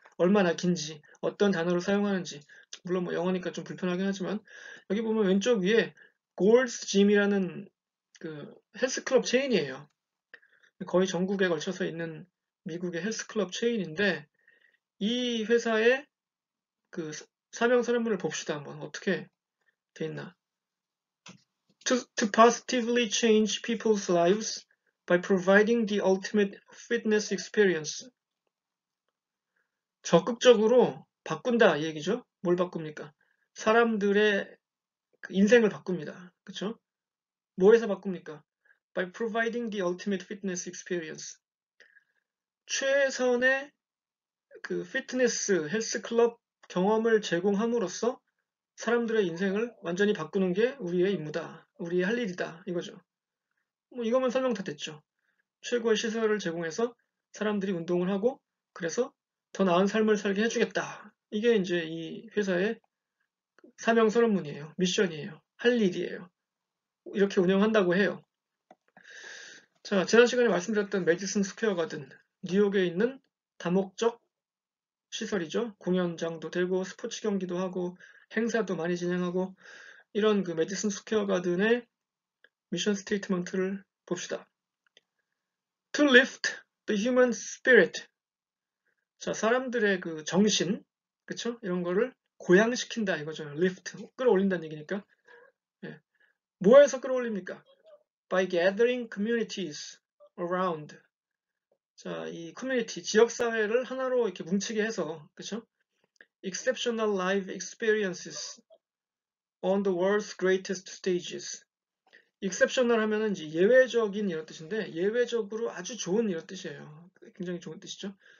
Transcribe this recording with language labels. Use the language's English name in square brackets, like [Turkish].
[Korean] 얼마나 긴지, 어떤 단어를 사용하는지. 물론 뭐 영어니까 좀 불편하긴 하지만 여기 보면 왼쪽 위에 Gold's Gym이라는 그 헬스클럽 체인이에요. 거의 전국에 걸쳐서 있는 미국의 헬스클럽 체인인데 이 회사의 그 사명서문을 봅시다 한번 어떻게 돼 있나. [English] To positively change people's lives by providing the ultimate fitness experience. [Korean] 적극적으로 바꾼다 이 얘기죠. 뭘 바꿉니까? 사람들의 인생을 바꿉니다. 그렇죠? 뭐에서 바꿉니까? [English] By providing the ultimate fitness experience. [Korean] 최선의 그 피트니스, 헬스클럽 경험을 제공함으로써 사람들의 인생을 완전히 바꾸는 게 우리의 임무다. 우리의 할 일이다. 이거죠. 뭐 이거면 설명 다 됐죠. 최고의 시설을 제공해서 사람들이 운동을 하고 그래서 더 나은 삶을 살게 해주겠다. 이게 이제 이 회사의 사명서문이에요. 미션이에요. 할 일이에요. 이렇게 운영한다고 해요. 자, 지난 시간에 말씀드렸던 매디슨 스퀘어 가든, 뉴욕에 있는 다목적 시설이죠. 공연장도 되고 스포츠 경기도 하고 행사도 많이 진행하고 이런 그 매디슨 스퀘어 가든의 미션 스테이트먼트를 봅시다. [English] To lift the human spirit. [Korean] 자, 사람들의 그 정신, 그쵸? 이런 거를 고양시킨다 이거죠. lift, 끌어올린다는 얘기니까. 예. 뭐에서 끌어올립니까? [English] By gathering communities around. [Korean] 자, 이 커뮤니티, 지역사회를 하나로 이렇게 뭉치게 해서, 그쵸? [English] Exceptional life experiences on the world's greatest stages. [Korean] Exceptional 하면은 이제 예외적인 이런 뜻인데, 예외적으로 아주 좋은 이런 뜻이에요. 굉장히 좋은 뜻이죠.